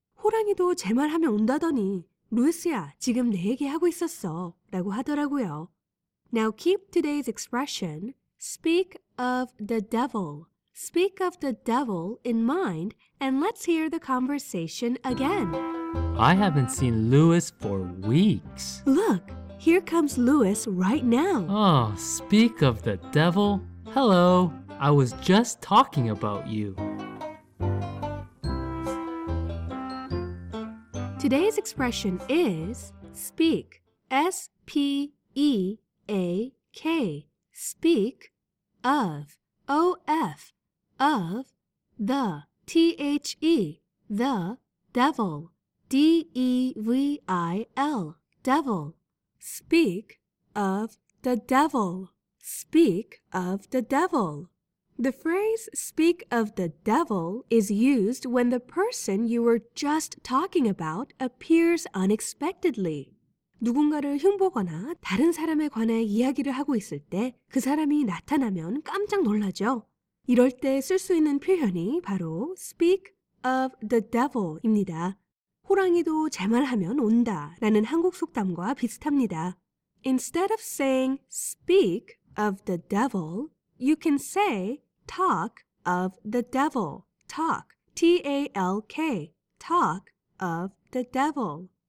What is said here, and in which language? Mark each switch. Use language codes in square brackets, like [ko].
[ko] 호랑이도 제 말하며 온다더니 루이스야, 지금 내 얘기하고 있었어 라고 하더라고요. [en] Now keep today's expression, speak of the devil. Speak of the devil in mind, and let's hear the conversation again. I haven't seen Louis for weeks. Look, here comes Louis right now. Oh, speak of the devil. Hello, I was just talking about you. Today's expression is speak, S-P-E-A-K, speak of, O-F, of, the, T-H-E, the, devil, D-E-V-I-L, devil, speak of the devil, speak of the devil. The phrase speak of the devil is used when the person you were just talking about appears unexpectedly. [ko] 누군가를 흉보거나 다른 사람에 관해 이야기를 하고 있을 때 그 사람이 나타나면 깜짝 놀라죠. 이럴 때 쓸 수 있는 표현이 바로 [en] speak of the devil [ko] 입니다. 호랑이도 제 말하면 온다 라는 한국 속담과 비슷합니다. [en] Instead of saying speak of the devil, you can say talk of the devil. Talk, T-A-L-K, talk of the devil.